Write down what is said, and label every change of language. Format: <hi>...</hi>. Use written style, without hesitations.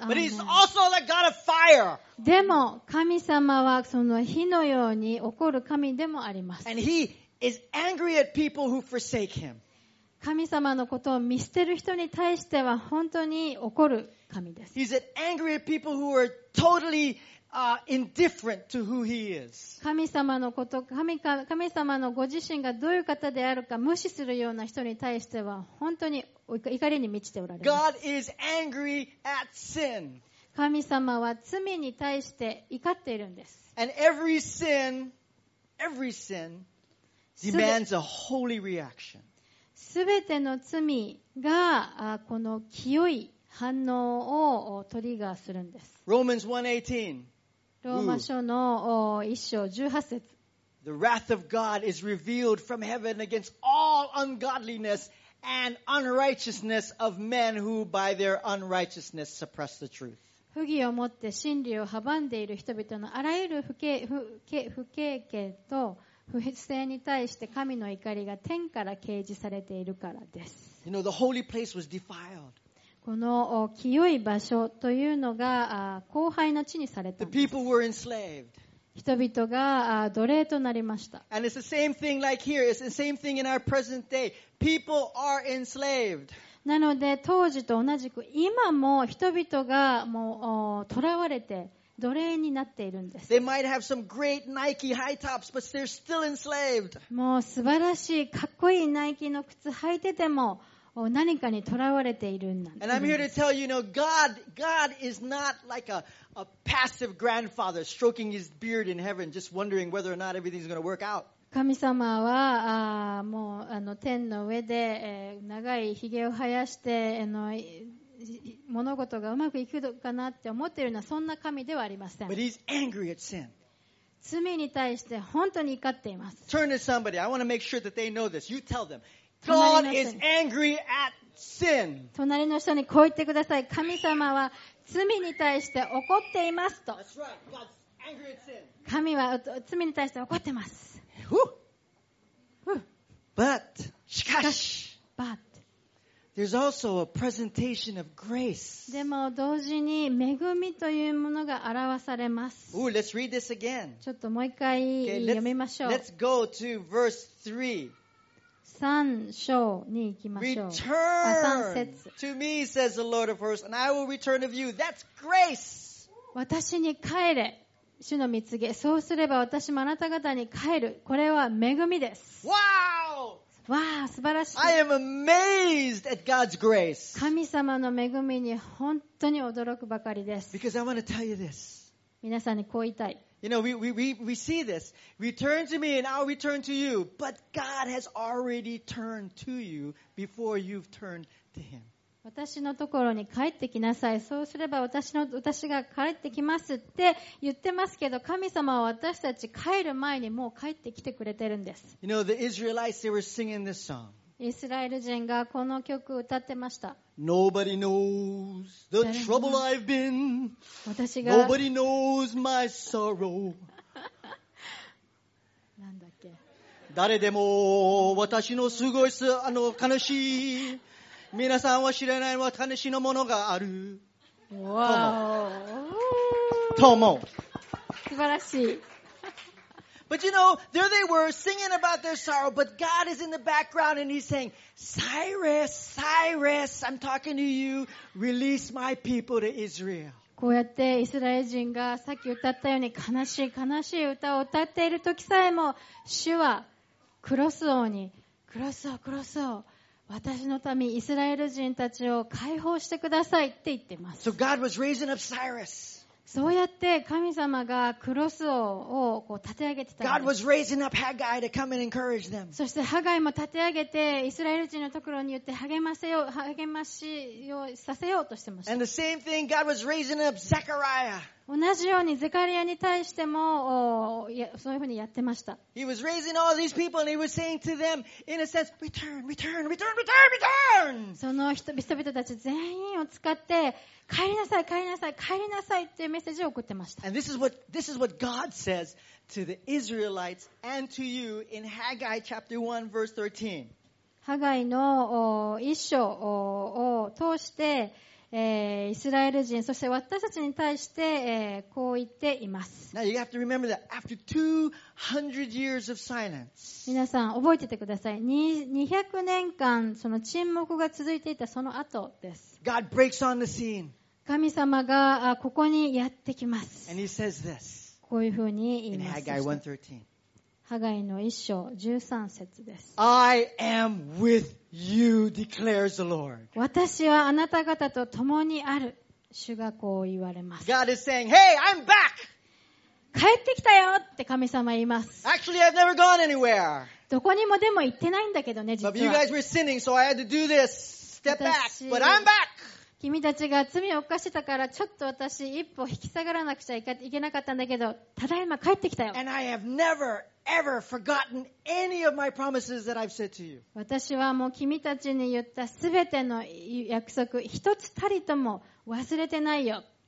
<en>But he's also the God of fire.</en> <ja>でも神様はその火のように怒る神でもあります。</ja> <en>And he is angry at people who forsake him.</en> <ja>神様のことを見捨てる人に対しては本当に怒る神です。</ja> <en>He's angry at people who are totally indifferent to who he is.</en> <ja>神様のこと、神様のご自身がどういう方であるか無視するような人に対しては本当に怒りに満ちておられます。</ja> <en>God is angry at sin.</en> <ja>神様は罪に対して怒っているんです。</ja> <en>And every sin, demands a holy reaction.</en> <ja>すべての罪がこの清い反応をトリガーするんです。</ja> <en>Romans 1:18.</en> <ja>ローマ書の一章十八節。</ja> <en>The wrath of God is revealed from heaven against all ungodliness and unrighteousness of men who by their unrighteousness suppress the truth.</en> <ja>不義をもって真理を阻んでいる人々のあらゆる不敬虔と不正に対して神の怒りが天から啓示されているからです。</ja> <en>You know, the holy place was defiled.</en> <ja>この清い場所というのが荒廃の地にされたんです。</ja> <en>The people were enslaved.</en> <ja>人々が奴隷となりました。</ja> <en>And it's the same thing like here. It's the same thing in our present day. People are enslaved.</en> <ja>なので当時と同じく今も人々がもう囚われて奴隷になっているんです。</ja> <en>They might have some great Nike high tops, but they're still enslaved.</en> <ja>もう素晴らしいかっこいいナイキの靴履いてても何かに囚われているんだ。</ja> <en>And I'm here to tell you, you know, God is not like a passive grandfather stroking his beard in heaven, just wondering whether or not everything's going to work out.</en> <ja>神様はもう天の上で長いひげを生やして物事がうまくいくかなって思っているのはそんな神ではありません。</ja> <en>But he's angry at sin.</en> <ja>罪に対して本当に怒っています。</ja> <en>Turn to somebody. I want to make sure that they know this. You tell them. God is angry at sin.</en> <ja>隣の人にこう言ってください。神様は罪に対して怒っていますと。</ja> <en>That's right. God's angry at sin.</en> <ja>神は罪に対して怒ってます。</ja> <en>But</en> <ja>しかし。</ja> <en>But. There's also a presentation of grace.</en> <ja>でも同時に恵みというものが表されます。</ja> <en>Ooh, let's read this again.</en> <ja>ちょっともう一回読みましょう。</ja> <en>Let's go to verse 3.</en> <ja>三章に行きましょう。</ja> <en>Return to me, says the Lord of hosts, and I will return to you. That's grace.</en> <ja>私に帰れ、主の御告げ。そうすれば私もあなた方に帰る。これは恵みです。</ja> <en>Wow!</en> <ja>わあ、素晴らしい。</ja> <en>I am amazed at God's grace.</en> <ja>神様の恵みに本当に驚くばかりです。</ja> <en>Because I want to tell you this.</en> <ja>皆さんにこう言いたい。</ja> <en>You know, we see this. Return to me and I'll return to you. But God has already turned to you before you've turned to him.</en> <ja>私のところに帰ってきなさい。そうすれば私が帰ってきますって言ってますけど、神様は私たち帰る前にもう帰ってきてくれてるんです。</ja> <en>You know, the Israelites, they were singing this song.</en> <ja>イスラエル人がこの曲を歌ってました。</ja> <en>Nobody knows the trouble I've been.</en> <ja>私が。</ja> <en>Nobody knows my sorrow.</en> <ja>なんだっけ。誰でも私のすごい悲しい。皆さんは知らないは悲しいのものがある。わー。 とも。素晴らしい。</ja> <en>But you know, there they were singing about their sorrow, but God is in the background and he's saying, Cyrus, Cyrus, I'm talking to you, release my people to Israel.</en> <ja>こうやってイスラエル人がさっき歌ったように悲しい悲しい歌を歌っている時さえも、主はクロス王に、クロス王、クロス王。私の民、イスラエル人たちを解放してくださいって言ってます。</ja> <en>So、God was raising up Cyrus.</en> <ja>そうやって神様がクロス王をこう立て上げてたんです。</ja> <en>God was raising up Haggai to come and encourage them.</en> <ja>そしてハガイも立て上げて、イスラエル人のところに言って励ましをさせようとしてました。</ja> <en>And the same thing, God was raising up Zechariah.</en> <ja>同じようにゼカリアに対してもそういうふうにやってました。</ja> <en>He was raising all these people and he was saying to them, in a sense, return, return, return, return, return!</en> <ja>その人々たち全員を使って、帰りなさい、帰りなさい、帰りなさいっていうメッセージを送ってました。</ja> <en>And this is what God says to the Israelites and to you in Haggai chapter 1, verse 13.</en> <ja>ハガイの一章を通して、イスラエル人そして私たちに対して、こう言っています。皆さん覚えててください。 200年間その沈黙が続いていたその後です。</ja> <en>God breaks on the scene.</en> <ja>神様がここにやってきます。</ja> <en>And he says this.</en> <ja>こういうふうに言います。</ja> <en>In Haggai 1:13.</en> <ja>ハガイの1章13節です。</ja> <en>I am withYou declares the Lord.</en> <ja>私はあなた方と共にある主がこう言われます。</ja> <en>God is saying, "Hey, I'm back."</en> <ja>帰ってきたよって神様言います。</ja> <en>Actually, I've never gone anywhere.</en> <ja>どこにもでも行ってないんだけどね、実は。</ja> <en>But you guys were sinning, so I had to do this. Step back, but I'm back.</en> <ja>君たちが罪を犯してたからちょっと私一歩引き下がらなくちゃいけなかったんだけど、ただいま帰ってきたよ。</ja> <en>And I have never. Ever forgotten any of my promises that I've said to you?</en> <ja>私はもう君たちに言ったすべての約束一つたりとも忘れてないよ。</ja>